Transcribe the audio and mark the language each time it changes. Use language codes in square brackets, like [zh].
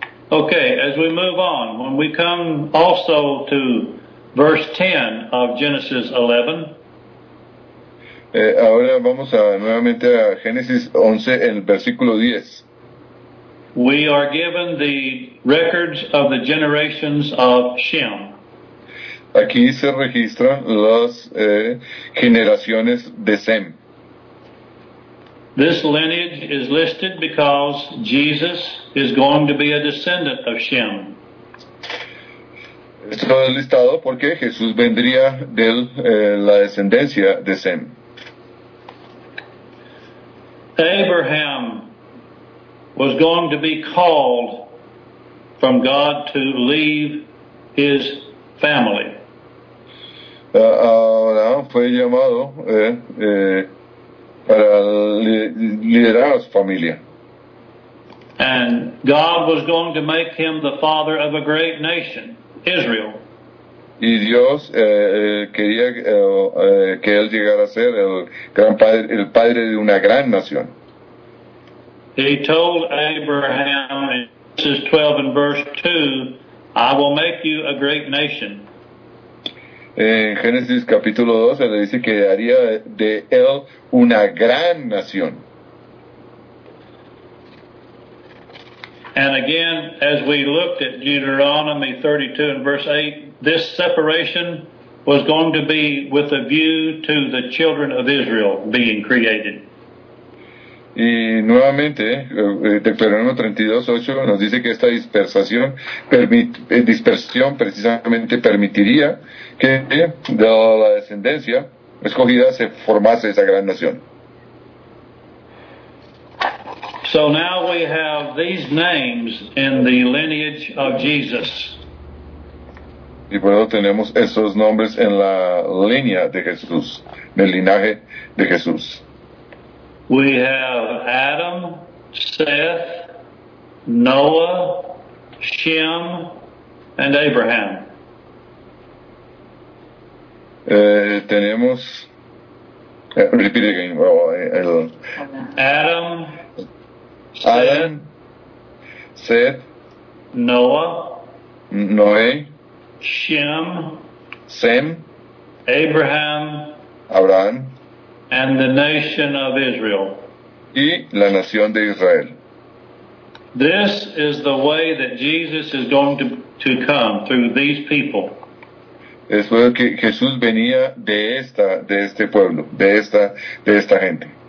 [en] Okay, as we move on, when we come also to verse 10 of Genesis 11. [es] Ahora vamos a, nuevamente a Génesis 11, el versículo 10. [en] We are given the records of the generations of Shem. [es] Aquí se registran las generaciones de Sem. [en] This lineage is listed because Jesus is going to be a descendant of Shem. [es] Esto es listado porque Jesús vendría de la descendencia de Sem. [en] Abraham was going to be called from God to leave his family. [es] Abraham fue llamado para liderar a su familia. [en] And God was going to make him the father of a great nation, Israel. [es] Y Dios quería que él llegara a ser el gran padre, el padre de una gran nación. [en] He told Abraham in Genesis 12 and verse 2, I will make you a great nation. [es] En Génesis capítulo 12 le dice que haría de él una gran nación. [en] And again, as we looked at Deuteronomy 32 and verse 8, this separation was going to be with a view to the children of Israel being created. [es] Y nuevamente, Deuteronomio 32:8 nos dice que esta dispersación, dispersión precisamente permitiría que de la descendencia escogida se formase esa gran nación. [en] So now we have these names in the lineage of Jesus. [es] Y por eso tenemos esos nombres en la línea de Jesús, en el linaje de Jesús. [en] We have Adam, Seth, Noah, Shem, and Abraham. [es] Tenemos [en] repeat again. Adam, Seth, Noah, Shem, Abraham, and the nation of Israel. [es] Y la nación de Israel. [en] This is the way that Jesus is going to come through these people. [es] Es lo que Jesús venía de este pueblo, de esta gente.